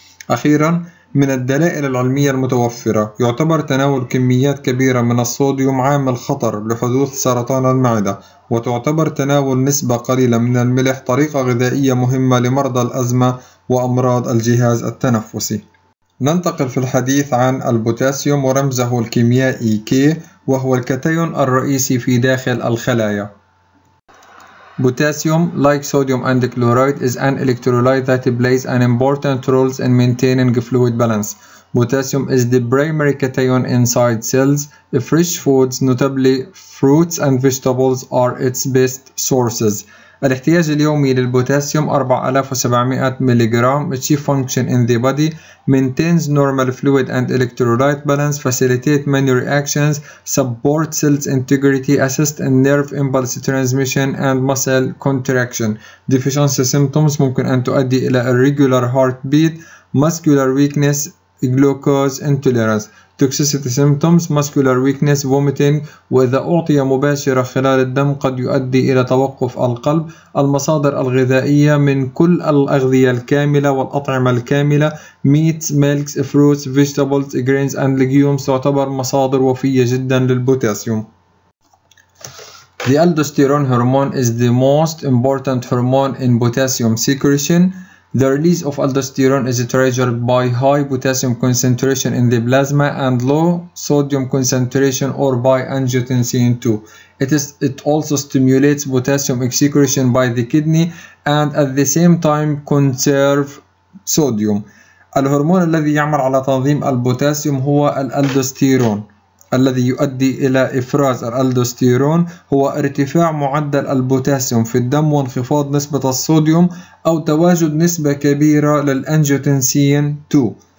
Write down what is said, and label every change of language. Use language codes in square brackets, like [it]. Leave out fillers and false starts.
[ar] أخيراً، من الدلائل العلمية المتوفرة، يعتبر تناول كميات كبيرة من الصوديوم عامل خطر لحدوث سرطان المعدة، وتعتبر تناول نسبة قليلة من الملح طريقة غذائية مهمة لمرضى الأزمة وأمراض الجهاز التنفسي. ننتقل في الحديث عن البوتاسيوم ورمزه الكيميائي كي، وهو الكاتيون الرئيسي في داخل الخلايا. [en] Potassium, like sodium and chloride, is an electrolyte that plays an important role in maintaining fluid balance. Potassium is the primary cation inside cells. Fresh foods, notably fruits and vegetables, are its best sources. [ar] الاحتياج اليومي للبوتاسيوم 4700 ميليغرام. [en] Chief function in the body, maintains normal fluid and electrolyte balance, facilitate many reactions, support cells integrity, assist in nerve impulse transmission and muscle contraction. Deficiency symptoms [ar] ممكن أن تؤدي إلى [en] irregular heartbeat, muscular weakness, glucose intolerance. Toxicity symptoms, muscular weakness, vomiting, [ar] وإذا أعطي مباشرة خلال الدم قد يؤدي إلى توقف القلب. المصادر الغذائية من كل الأغذية الكاملة والأطعمة الكاملة، [en] meats, milks, fruits, vegetables, grains and legumes، [ar] تعتبر مصادر وفية جدا للبوتاسيوم. [en] The aldosterone hormone is the most important hormone in potassium secretion. The release of aldosterone is triggered by high potassium concentration in the plasma and low sodium concentration or by angiotensin II. It also stimulates potassium excretion by the kidney and at the same time conserve sodium. [ar] الهرمون الذي يعمل على تنظيم البوتاسيوم هو الالدوستيرون، الذي يؤدي إلى إفراز الألدوستيرون هو ارتفاع معدل البوتاسيوم في الدم وانخفاض نسبة الصوديوم أو تواجد نسبة كبيرة للأنجيوتنسين 2.